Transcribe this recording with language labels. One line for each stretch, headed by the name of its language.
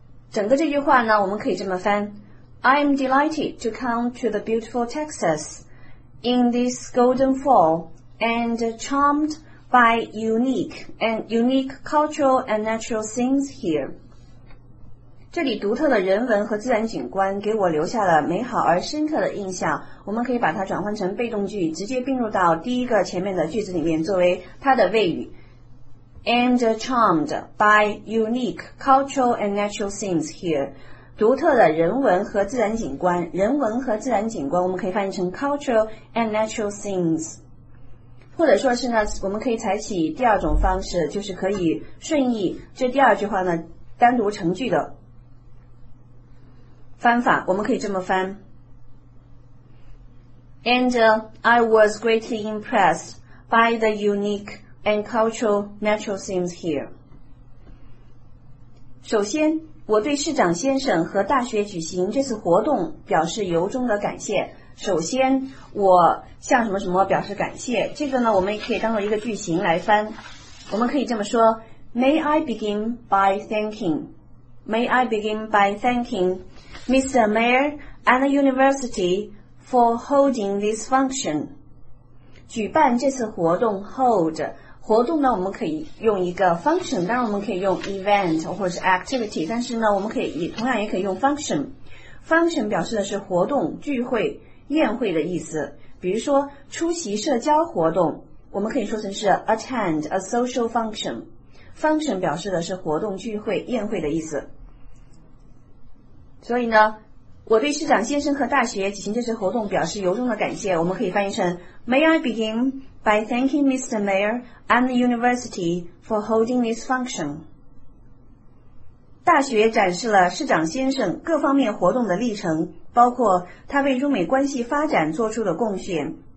Chinese: 整个这句话呢我们可以这么翻，
English: I am delighted to come to the beautiful Texas in this golden fall and charmed by unique cultural and natural things here。
Chinese: 这里独特的人文和自然景观给我留下了美好而深刻的印象。我们可以把它转换成被动句，直接并入到第一个前面的句子里面，作为它的谓语。
English: And charmed by unique cultural and natural scenes here.
Chinese: 独特的人文和自然景观，人文和自然景观我们可以翻译成
English: cultural and natural scenes。
Chinese: 或者说是呢，我们可以采取第二种方式，就是可以顺义这第二句话呢单独成句的翻法，我们可以这么翻。
English: And I was greatly impressed by the unique and cultural natural scenes here.
Chinese: 首先，我对市长先生和大学举行这次活动表示由衷的感谢。首先，我向什么什么表示感谢。这个呢，我们也可以当作一个句型来翻。我们可以这么说
English: ,May I begin by thanking? May I begin by thanking? Mr. Mayor and the University for holding this function.
Chinese: 举办这次活动 hold. 活动呢我们可以用一个 function, 当然我们可以用 event 或者是 activity, 但是呢我们可以同样也可以用 function. Function 表示的是活动、聚会、宴会的意思。比如说出席社交活动我们可以说成是
English: attend a social function.
Chinese: Function 表示的是活动、聚会、宴会的意思。所以呢，我对市长先生和大学举行这次活动表示由衷的感谢。我们可以翻译成
English: May I begin by thanking Mr. Mayor and the University for holding this function.
Chinese: 大学展示了市长先生各方面活动的历程，包括他为中美关系发展做出的贡献。